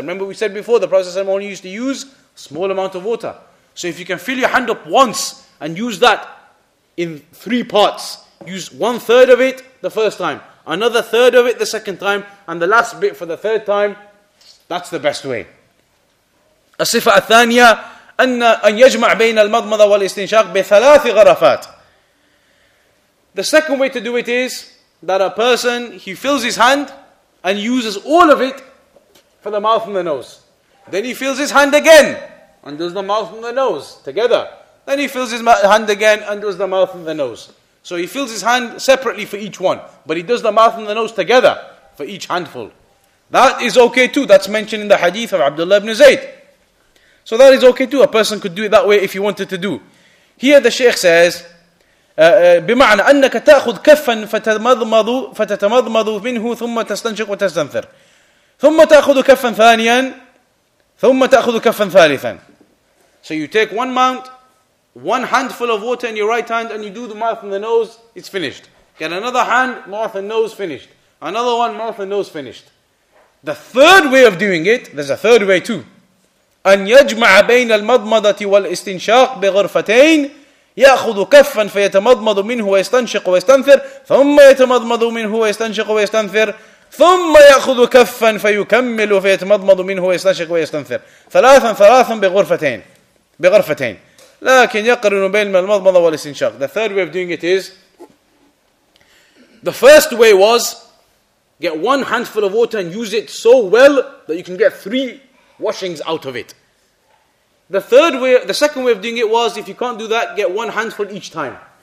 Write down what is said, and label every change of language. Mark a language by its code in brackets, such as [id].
[en] Remember we said before, the Prophet ﷺ only used to use a small amount of water. So if you can fill your hand up once and use that in three parts, use one third of it the first time, another third of it the second time, and the last bit for the third time, that's the best way. [ar] الصفة الثانية أن يجمع بين المضمضة والاستنشاق بثلاث غرفات. [en] The second way to do it is that a person, he fills his hand and uses all of it for the mouth and the nose. Then he fills his hand again and does the mouth and the nose together. Then he fills his hand again and does the mouth and the nose. So he fills his hand separately for each one, but he does the mouth and the nose together for each handful. That is okay too. That's mentioned in the hadith of Abdullah ibn Zayd. So that is okay too. A person could do it that way if he wanted to do. Here the Shaykh says, [ar] بمعنى أنك تأخذ كفا فتتمضمض منه ثم تستنشق وتستنثر ثم تأخذ كفا ثانيا ثم تأخذ كفا ثالثا. [en] So you take one mount, one handful of water in your right hand and you do the mouth and the nose, it's finished. Get another hand, mouth and nose finished. Another one, mouth and nose finished. The third way of doing it, there's a third way too. [ar] أن يجمع بين المضمضة والاستنشاق بغرفتين يأخذ كفا فيتمضمض منه ويستنشق ويستنثر ثم يتمضمض منه ويستنشق ويستنثر ثم يأخذ كفا فيكمل فيتمضمض منه ويستنشق ويستنثر ثلاثا ثلاثا بغرفتين لكن يقرن بين المضمضة والاستنشاق. [en] The third way of doing it is, the first way was get one handful of water and use it so well that you can get three washings out of it. The second way of doing it was, if you can't do that, get one handful each time.